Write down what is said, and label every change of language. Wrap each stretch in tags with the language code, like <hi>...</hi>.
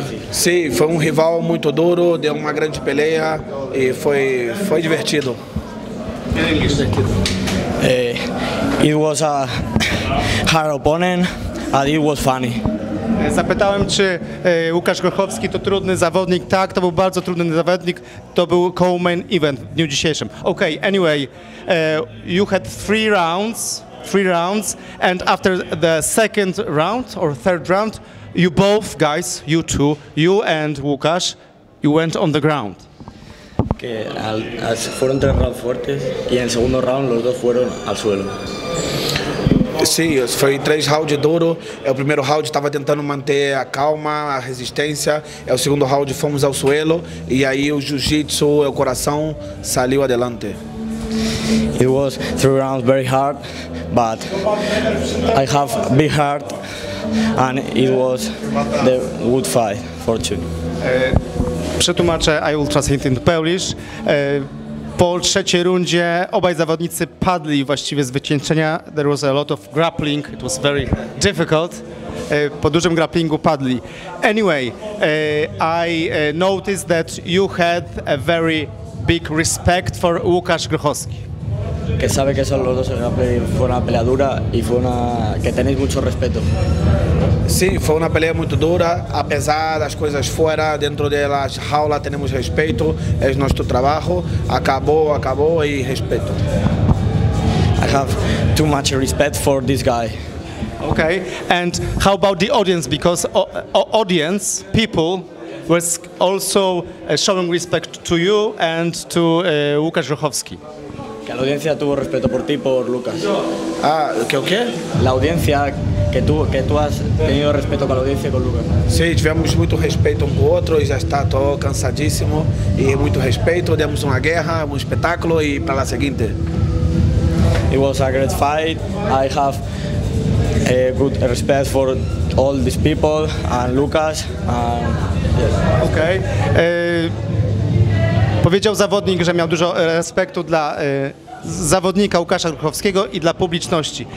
<pt>Sim, foi rival muito duro, deu uma grande peleia e foi divertido.</pt> <en>It was a hard opponent, and it was funny.</en> <pl>Zapytałem, czy Łukasz Grochowski to trudny zawodnik. Tak, to był bardzo trudny zawodnik. To był co-main event w dniu dzisiejszym.</pl> <en>Okay, anyway, you had three rounds, and after the second round or third round, you both guys, you two, you and Łukasz, you went on the ground.</en> <es>Que fueron tres rounds fuertes y en el segundo round los dos fueron al suelo. Sí, fue tres rounds duros. El primer round estaba intentando mantener la calma, la resistencia. El segundo round fuimos al suelo y ahí el jiu-jitsu, el corazón salió adelante.</es> <en>It was three rounds very hard, but I have big heart and it was the good fight for two.</en> <pl>Przetłumaczę,</pl> <en>I will translate in Polish.</en> <pl>Po trzeciej rundzie obaj zawodnicy padli właściwie z wycieńczenia.</pl> <en>There was a lot of grappling, it was very difficult.</en> <pl>Po dużym grapplingu padli.</pl> <en>Anyway, I noticed that you had a very big respect for Łukasz Grochowski.</en> <es>Que sabe que son los dos fue una pelea dura y fue una que tenéis mucho respeto. Sí, fue una pelea muy dura, a pesar de las cosas fuera, dentro de la jaula tenemos respeto, es nuestro trabajo, acabó y respeto.</es> <en>I have too much respect for this guy. Okay, and how about the audience? Because audience, people was also showing respect to you and to Łukasz Grochowski.</en> <es>La audiencia tuvo respeto por ti, por Lucas. Ah, ¿qué o qué? La audiencia, que tú has tenido respeto con la audiencia y con Lucas. Sí, tuvimos mucho respeto un por otro y ya está todo cansadísimo. Y mucho respeto, dimos una guerra, un espectáculo y para la siguiente.</es> <en>It was a great fight. I have a good respect for all these people and Lucas. Yes. Okay.</en> <pl>Powiedział zawodnik, że miał dużo respektu dla zawodnika Łukasza Grochowskiego i dla publiczności.</pl>